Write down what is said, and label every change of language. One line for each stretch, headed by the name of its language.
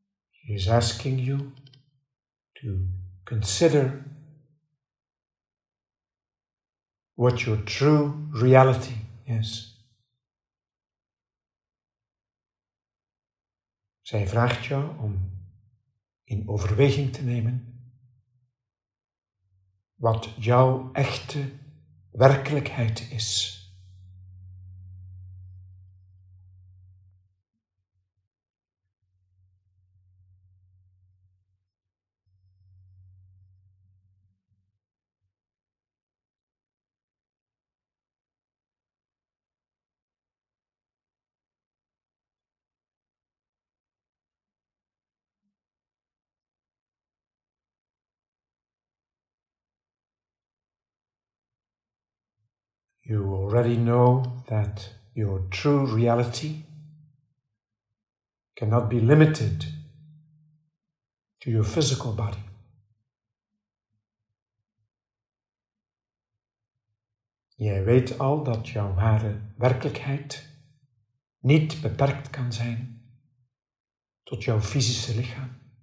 English: He is asking you to consider what your true reality is.
Dutch: Zij vraagt jou om in overweging te nemen wat jouw echte werkelijkheid is.
English: You already know that your true reality cannot be limited to your physical body.
Dutch: Jij weet al dat jouw ware werkelijkheid niet beperkt kan zijn tot jouw fysische lichaam.